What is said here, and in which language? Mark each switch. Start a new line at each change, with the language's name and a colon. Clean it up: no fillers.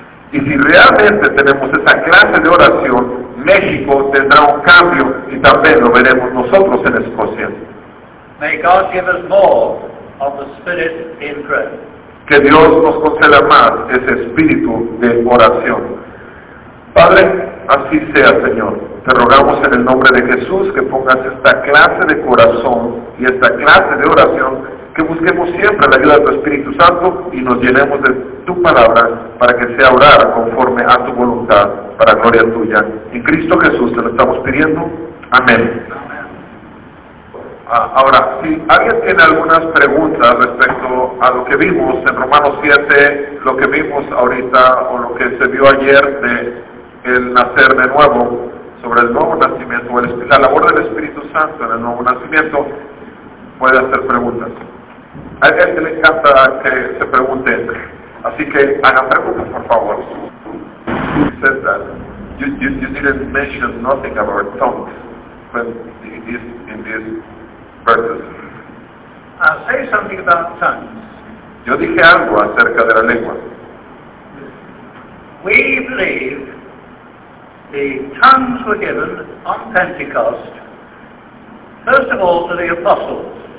Spanish: Y si realmente tenemos esa clase de oración, México tendrá un cambio y también lo veremos nosotros en Escocia.
English: May God give us more of the Spirit in prayer.
Spanish: Que Dios nos conceda más ese espíritu de oración. Padre, así sea, Señor. Te rogamos en el nombre de Jesús que pongas esta clase de corazón y esta clase de oración, que busquemos siempre la ayuda de tu Espíritu Santo y nos llenemos de tu palabra para que sea orar conforme a tu voluntad para gloria tuya. En Cristo Jesús te lo estamos pidiendo. Amén. Ahora, si alguien tiene algunas preguntas respecto a lo que vimos en Romanos 7, lo que vimos ahorita o lo que se vio ayer de el nacer de nuevo, sobre el nuevo nacimiento, o la labor del Espíritu Santo en el nuevo nacimiento, puede hacer preguntas. A él le encanta que se pregunten, así que hagan preguntas, por favor.
English: You said that you didn't mention nothing about tongues when in this verses. I'll say something about tongues.
Spanish: Yo dije algo acerca de la lengua.
English: We believe the tongues were given on Pentecost, first of all to the apostles.